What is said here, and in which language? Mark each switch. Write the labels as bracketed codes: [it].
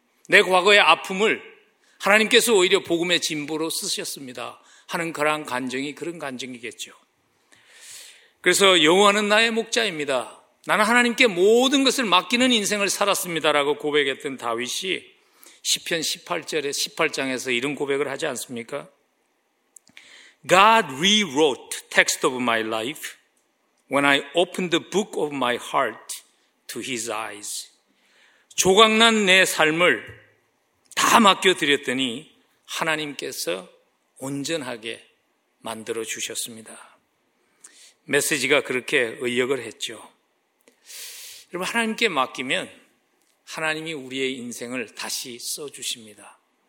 [ko] 내 과거의 아픔을 하나님께서 오히려 복음의 진보로 쓰셨습니다 하는 그런 간증이 그런 간증이겠죠. 그래서 여호와는 나의 목자입니다, 나는 하나님께 모든 것을 맡기는 인생을 살았습니다라고 고백했던 다윗이 시편 18절에 18장에서 이런 고백을 하지 않습니까? [en] God rewrote the text of my life when I opened the book of my heart to his eyes. [ko] 조각난 내 삶을 다 맡겨드렸더니 하나님께서 온전하게 만들어주셨습니다. 메시지가 그렇게 의역을 했죠. 여러분, 하나님께 맡기면 하나님이 우리의 인생을 다시 써주십니다.